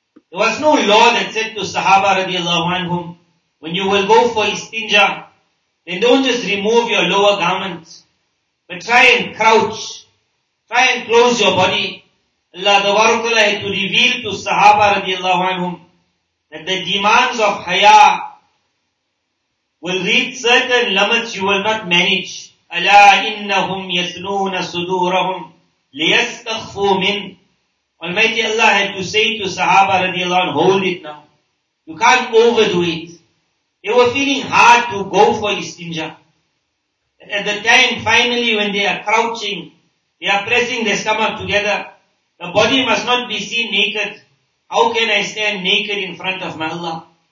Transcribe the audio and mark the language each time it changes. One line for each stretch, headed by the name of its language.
English: There was no law that said to sahaba radiallahu anhum, when you will go for istinja, then don't just remove your lower garment, but try and crouch, try and close your body. Allah tabarakallah had to reveal to Sahaba radiallahu anhum that the demands of haya will reach certain limits you will not manage.
Arabic: الا انهم يثنون صدورهم ليستخفوا من.
English: Almighty Allah had to say to Sahaba radiallahu anhu, hold it now. You can't overdo it. They were feeling hard to go for istinja. At the time, finally, when they are crouching, they are pressing their stomach together. The body must not be seen naked. How can I stand naked in front of my Allah?